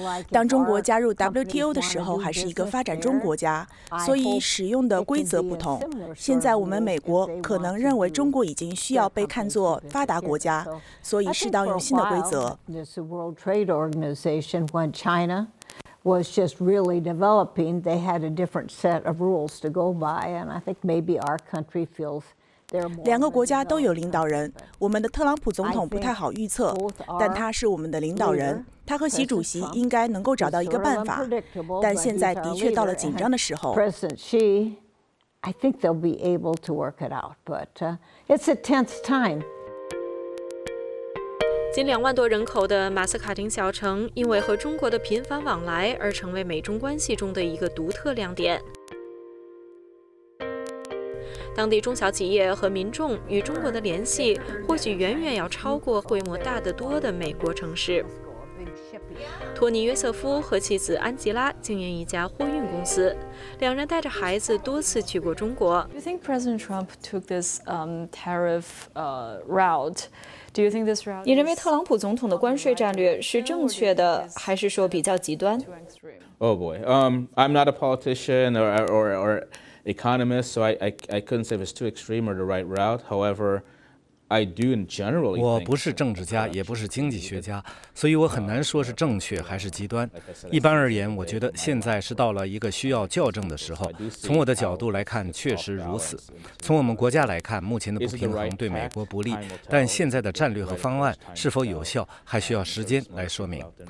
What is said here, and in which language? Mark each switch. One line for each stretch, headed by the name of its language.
Chinese: 当中国加入 WTO 的时候还是一个发展中国家，所以使用的规则不同。现在我们美国可能认为中国已经需要被看作发达国家，所以适当用新的规则。
English: This World Trade Organization, when China was just really developing, they had a different set of rules to go by, and I think maybe our country feels they're more.
Chinese: 两个国家都有领导人，我们的特朗普总统不太好预测，但他是我们的领导人，他和习主席应该能够找到一个办法，但现在的确到了紧张的时候。
English: President Xi, I think they'll be able to work it out, but it's a tense time.
Chinese: 仅两万多人口的马斯卡丁小城因为和中国的频繁往来而成为美中关系中的一个独特亮点。当地中小企业和民众与中国的联系或许远远要超过规模大得多的美国城市。托尼·约瑟夫和妻子安吉拉经营一家货运公司，两人带着孩子多次去过中国。
English: Do you think President Trump took this tariff route? Do you think this route?
Chinese: 你认为特朗普总统的关税战略是正确的，还是说比较极端
English: ？Oh boy, I'm not a politician or economist, so I couldn't say if it's too extreme or the right route. However, I do in general.
Chinese: 我不是政治家，也不是经济学家，所以我很难说是正确还是极端。一般而言，我觉得现在是到了一个需要校正的时候。从我的角度来看，确实如此。从我们国家来看，目前的不平衡对美国不利，但现在的战略和方案是否有效，还需要时间来说明。